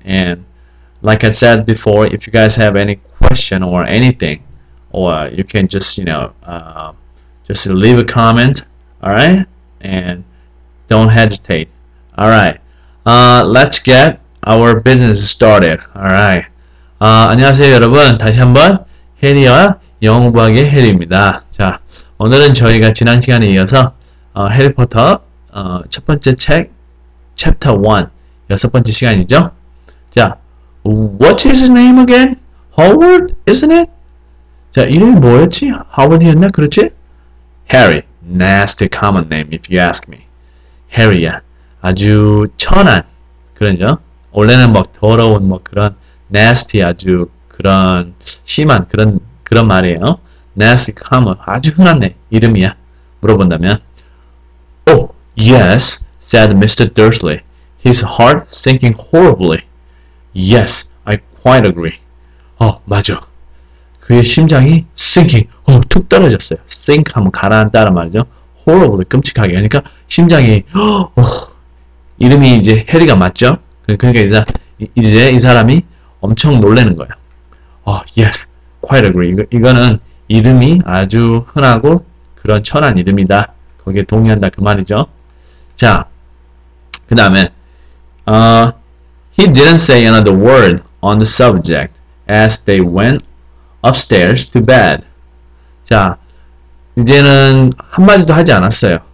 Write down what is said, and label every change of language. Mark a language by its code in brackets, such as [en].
[en] And like I said before, if you guys have any question or anything, or you can just, you know, just leave a comment, all right? And don't hesitate. All right, let's get our business started, all right? [ko] 안녕하세요 여러분, 다시 한번 해리와 영어 공부하기의 해리입니다. 자, 오늘은 저희가 지난 시간에 이어서 해리포터 첫 번째 책 챕터 1 여섯 번째 시간이죠. [en] 자, What's his name again? Howard, isn't it? [ko] 자, 이름이 뭐였지? Howard이었나? 그렇지? [en] Harry, nasty common name if you ask me. [ko] Harry야, 아주 천한 그런죠. 원래는 막 더러운 뭐 그런 nasty 아주 그런 심한 그런 말이에요. [en] nasty common [ko] 아주 흔한 내 이름이야. 물어본다면, [en] Oh yes, said Mr. Dursley, his heart sinking horribly. Yes, I quite agree. [ko] 어 맞아. 그의 심장이 sinking 어 툭 떨어졌어요. sink 하면 가라앉다라는 말이죠. horribly 끔찍하게. 그러니까 심장이 어 이름이 이제 해리가 맞죠. 그러니까 이제 이 사람이 엄청 놀라는 거야. [en] 어, yes, quite agree. [ko] 이거는 이름이 아주 흔하고 그런 천한 이름이다. 거기에 동의한다 그 말이죠. [en] 자, 그 다음에 he didn't say another word on the subject as they went upstairs to bed. [ko] 자, 이제는 한마디도 하지 않았어요.